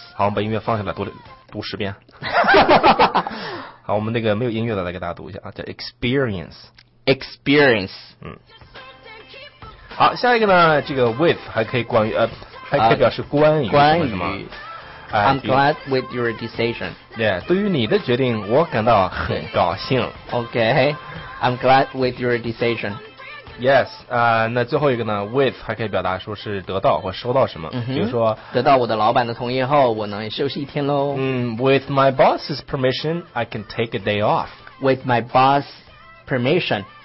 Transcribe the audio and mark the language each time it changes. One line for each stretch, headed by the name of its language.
Chinese: 好，我们把音乐放下来，读十遍。好，我们那个没有音乐的来给大家读一下啊，叫 experience。
English: experience。嗯。
Chinese: 好，下一个呢，这个 with 还可以关于还可以表示关于什么什么。
English: I'm glad with your decision.
Chinese: Yeah, 对于你的决定，我感到很高兴。
English: Okay, I'm glad with your decision.
Chinese: Yes, 那最后一个呢 ，with 还可以表达说是得到或收到什么， mm-hmm. 比如说得到我的老板的同意后，我能休息一天喽。
English: With my boss's permission, I can take a day off. With my boss's permission.